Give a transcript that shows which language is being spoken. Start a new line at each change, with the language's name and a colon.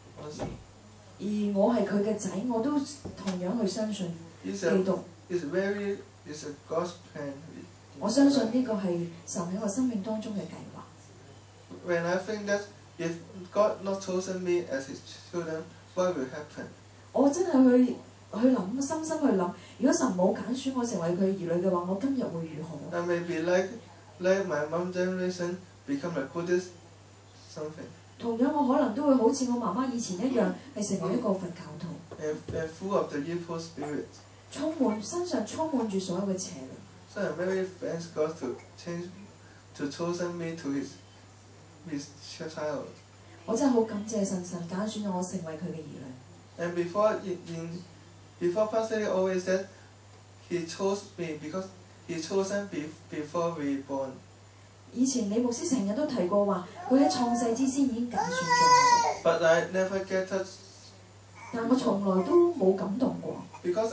Cantonese: 而我係佢嘅仔，我都同樣去相信基督。
English: It's a God's plan.
Cantonese: 我相信呢個係神喺我生命當中嘅計劃。
English: When I think that if God not chosen me as his children, what will happen?
Cantonese: 我真係去諗，深深去諗，如果神冇揀選我成為佢兒女嘅話，我今日會如何？
English: I may be like my mom generation, become a Buddhist something.
Cantonese: 同樣，我可能都會好似我媽媽以前一樣，係成為一個佛教徒。
English: And full of the evil spirit.
Cantonese: 充滿，身上充滿住所有嘅邪靈。
English: So I very thank God to chosen me to his child.
Cantonese: 我真係好感謝神揀選我成為佢嘅兒女。
English: And before Pastor always said, he chose me because he chosen before we born.
Cantonese: 以前李牧師成日都提過話，佢喺創世之先已經揀選咗。But
English: I never get touched.
Cantonese: 但我從來都冇感動過。Because